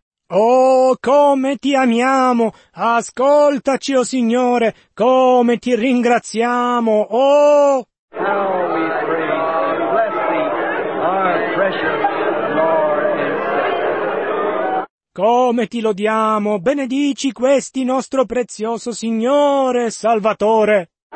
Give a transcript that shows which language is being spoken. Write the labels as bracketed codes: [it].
[it] Oh, come ti amiamo! Ascoltaci, oh Signore, come ti ringraziamo! Oh! [en] How we praise and bless thee, our precious Lord and Savior. [it] Come ti lodiamo! Benedici questi nostro prezioso Signore e Salvatore!